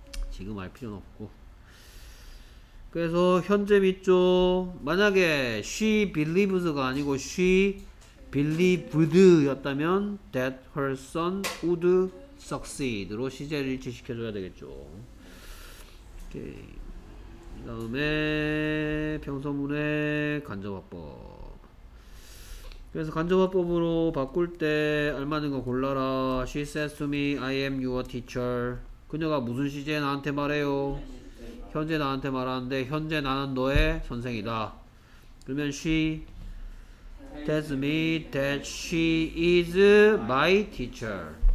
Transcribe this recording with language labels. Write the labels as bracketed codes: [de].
[ko] 지금 알 필요는 없고. 그래서 현재 밑조 만약에 she believes가 아니고 she believed 였다면 [en] that her son would succeed [ko] 로 시제를 일치시켜줘야 되겠죠. 오케이. 그 다음에 평소문의 간접화법. 그래서 간접화법으로 바꿀 때 알맞은 거 골라라. [en] She says to me, I am your teacher. [ko] 그녀가 무슨 시제 나한테 말해요? 현재 나한테 말하는데 현재 나는 너의 선생이다. 그러면 [en] she tells me that she is my teacher.